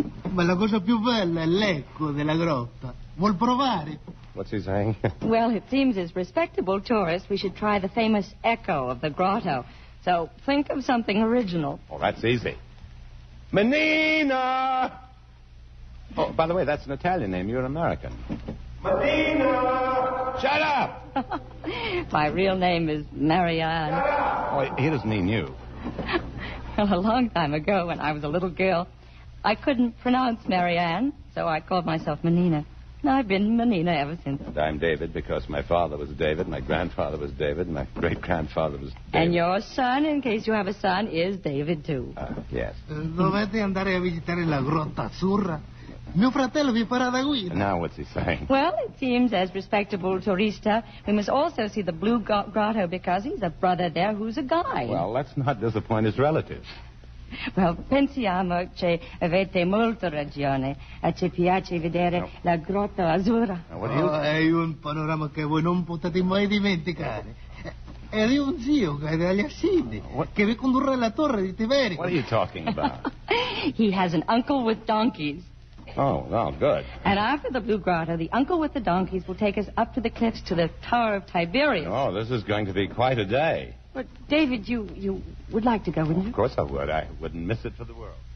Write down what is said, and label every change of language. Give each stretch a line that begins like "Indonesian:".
Italian: Ma la cosa più bella è l'eco della grotta. Vuol provare?
English: What's he saying? Well, it seems as respectable tourists, we should try the famous echo of the grotto. So think of something original. Oh, that's easy. Menina! Oh, by the way, that's an Italian name. You're an American. Menina! Shut up! My real name is Marianne. Shut up! Oh, he doesn't mean you. Well, a long time ago, when I was a little girl, I couldn't pronounce Marianne, so I called myself Menina. And I've been Menina ever since. And I'm David because my father was David, my grandfather was David, my great-grandfather was David. And your son, in case you have a son, is David, too. Yes.
Italian: Dovete andare a visitare la Grotta Azzurra. Mio fratello vi farà da guida.
English: Now what's he saying? Well, it seems as respectable turista, we must also see the Blue Grotto because he's a brother there who's a guide. Well, let's not disappoint his relatives.
Italian: Well, pensiamo che avete molto ragione e ci piace vedere la Grotta Azzurra. È un panorama che voi non potete mai dimenticare. È di un zio che è degli Assidi, che vi condurrà alla torre di Tiberi.
English: What are you talking about? He has an uncle with donkeys. Oh, well, good. And after the Blue Grotto, the uncle with the donkeys will take us up to the cliffs to the Tower of Tiberias. Oh, this is going to be quite a day. But, David, you would like to go, wouldn't you? Of course I would. I wouldn't miss it for the world.